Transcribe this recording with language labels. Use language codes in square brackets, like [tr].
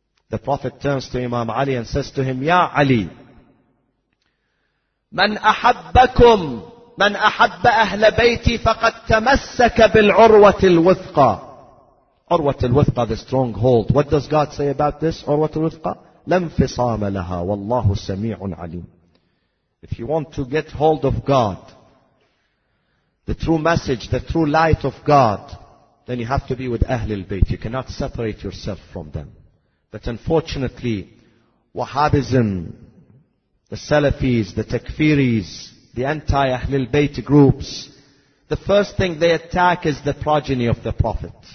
[en] The Prophet turns to Imam Ali and says to him, Ya Ali, [ar] من أحبكم من أحب أهل بيتي فقد تمسك بالعروة الوثقى. [en] عروة الوثقى, the stronghold. What does God say about this? [ar] عروة الوثقى, لا انفصام لها والله سميع عليم. [en] If you want to get hold of God, the true message, the true light of God, then you have to be with Ahlul Bayt. You cannot separate yourself from them. But unfortunately, Wahhabism, the Salafis, the Takfiris, the anti-Ahlul Bayt groups, the first thing they attack is the progeny of the Prophet.